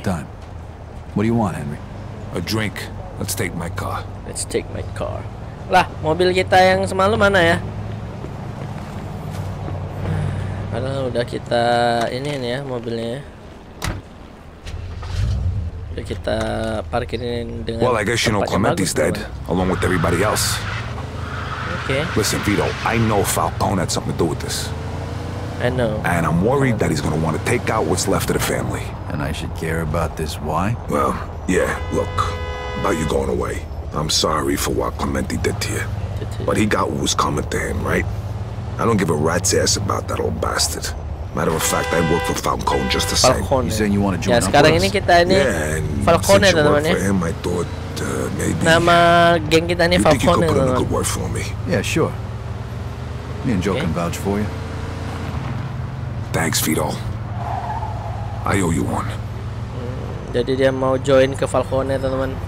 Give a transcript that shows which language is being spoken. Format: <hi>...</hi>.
<en>Long time. What do you want, Henry? A drink. Let's take my car. Let's take my car.</en> <id>Lah, mobil kita yang semalam mana ya? Padahal udah kita ini ya mobilnya. Udah kita parkirin dengan.</id> <en>Well, I guess you know Clemente's dead, along with everybody else. Okay. Listen, Vito. I know Falcone had something to do with this. I know. And I'm worried that he's gonna want to take out what's left of the family. And I should care about this? Why? Well, yeah. Look, about you going away. I'm sorry for what Clemente did to you. But he got what was coming to him, right? I don't give a rat's ass about that old bastard. Matter of fact, I work for Falcone just the same. Falcone. You saying you want to join us? Yeah,</en> <id>sekarang ini kita ini Falcone, teman-teman.</id> <en>Yeah, and since you work for him, I thought.</en> <id>Nama geng kita ini Falcone.</id> <en>You think you could put in a good word for me? Yeah, sure. Me and Joe can vouch for you. Thanks, Vito. I owe you one.</en> <id>Jadi dia mau join ke Falcone, teman-teman.</id>